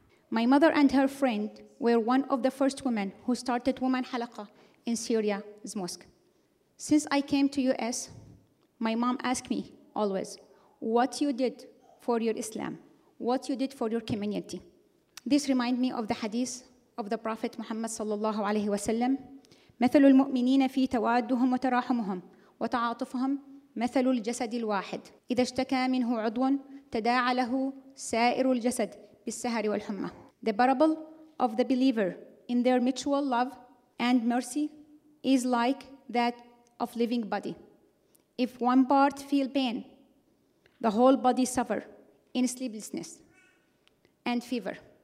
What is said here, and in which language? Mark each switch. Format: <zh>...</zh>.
<en>My mother and her friend were one of the first women who started Woman Halaqa in Syria's mosque. Since I came to US, my mom asked me always, what you did for your Islam, what you did for your community. This reminds me of the hadith of the Prophet Muhammad sallallahu alaihi wasallam.</en> <ar>مثل المؤمنين في توادهم وتراحمهم وتعاطفهم مثل الجسد الواحد إذا اشتكى منه عضو تداعى له سائر الجسد بالسهر والحمى.</ar> <en>The parable of the believer in their mutual love and mercy is like that of living body. If one part feel pain, the whole body suffer in sleeplessness and fever.</en>